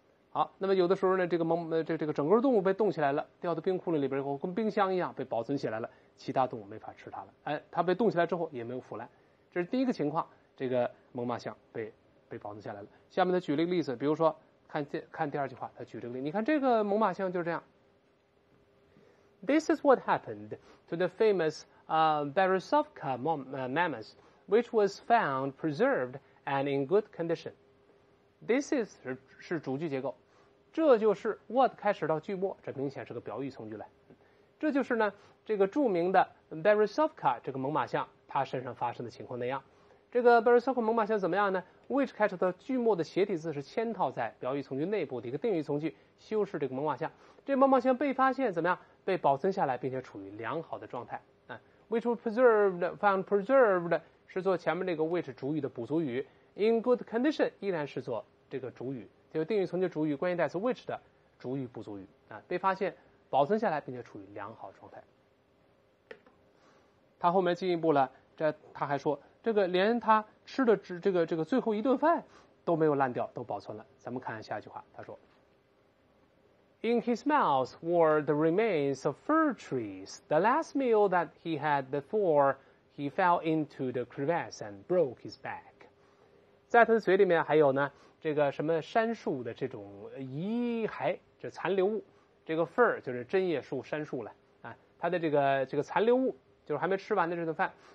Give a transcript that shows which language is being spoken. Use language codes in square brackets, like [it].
[zh] 好，那么有的时候呢，这个整个动物被冻起来了，掉到冰窟窿里边以后，跟冰箱一样被保存起来了，其他动物没法吃它了。哎，它被冻起来之后也没有腐烂，这是第一个情况，这个猛犸象被保存下来了。下面他举了一个例子，比如说看第二句话，他举这个例子，你看这个猛犸象就是这样。 [en] This is what happened to the famous Berezovka mammoth, which was found preserved and in good condition. [zh] This is 是主句结构，这就是 what 开始到句末，这明显是个表语从句来。这就是呢，这个著名的 Berezovka 这个猛犸象，它身上发生的情况那样。这个 Berezovka 猛犸象怎么样呢？ which 开始到句末的斜体字是嵌套在表语从句内部的一个定语从句，修饰这个猛犸象。这猛犸象被发现怎么样？被保存下来并且处于良好的状态啊。 which was preserved found preserved 是做前面这个 which 主语的补足语， in good condition 依然是做这个主语，就定语从句主语关系代词 which 的主语补足语啊，被发现保存下来并且处于良好状态。他后面进一步了，这他还说这个连他吃的这个最后一顿饭都没有烂掉，都保存了。 [en] 咱们看下一句话，他说 In his mouth were the remains of fir trees, the last meal that he had before he fell into the crevasse and broke his back. [zh] 在他的嘴里面还有呢，这个什么杉树的这种遗骸，这残留物，这个 fir 就是针叶树、杉树了啊，他的这个残留物就是还没吃完的这顿饭。